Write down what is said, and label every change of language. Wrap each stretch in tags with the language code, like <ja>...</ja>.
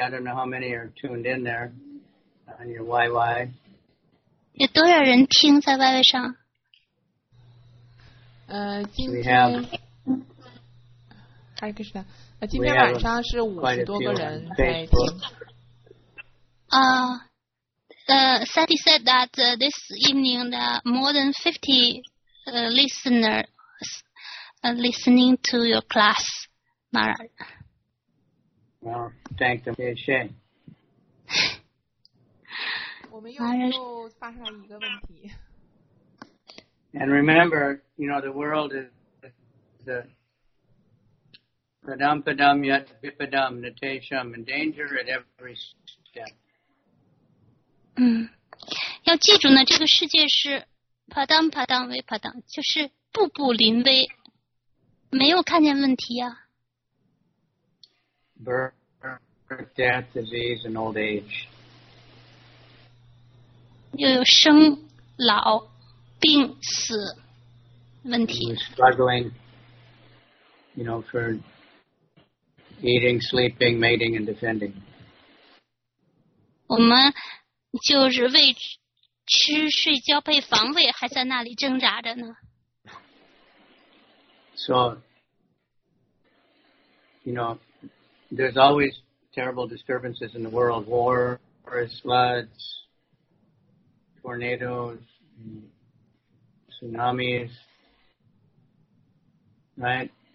<en>I don't know how many are tuned in there on your YY.</en> <zh>有多少人听在 YY 上？今天晚上是50多个人在听。啊。</zh> <en>Sadie said that this evening there are more than 50 listeners listening to your class, Mara. Well, thank them. Yeah, Shane.</en> <zh>我们又发上一个问题。</zh> <en>And remember, you know, the world is the</en> <sa>padam padam yat vipadam natesham</sa> <en>in danger at every step.</en> <zh>要记住呢，这个世界是</zh> <sa>padam padam ve padam，</sa> <zh>就是步步临危，没有看见问题啊。</zh> <en>Birth, death, disease, and old age.</en> <zh>又有生老病死问题。</zh> <en>Struggling, you know, for eating, sleeping, mating, and defending.</en> <zh>我们。就是为吃睡交配防卫还在那里挣扎着呢。</zh> <en>So, you know, there's always terrible disturbances in the world: wars, floods, tornadoes, tsunamis, right?</en>